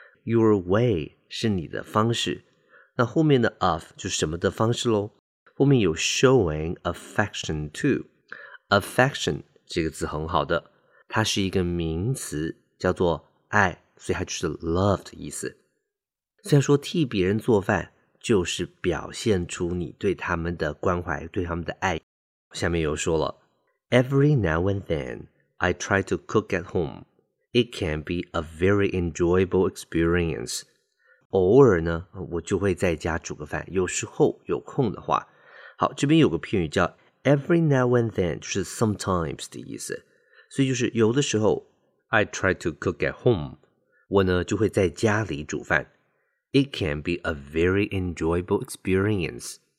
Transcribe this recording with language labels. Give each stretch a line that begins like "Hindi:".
Chinese: Your way 是你的方式，那后面的 of 就什么的方式咯，后面有
English: showing affection to affection
Chinese: 这个字很好的，它是一个名词叫做爱，所以它就是 love 的意思。虽然说替别人做饭就是表现出你对他们的关怀，对他们的爱。下面又说了
English: Every now and then I try to cook at homeIt can be a very enjoyable experience.
Chinese: 偶尔呢，我就会在家煮个饭，有时候有空的话。好，这边有个片语叫 every now and then, 就是 sometimes 的意思。所以就是有的时候
English: I try to cook at home.
Chinese: 我呢就会在家里煮饭。
English: It can be a very enjoyable experience.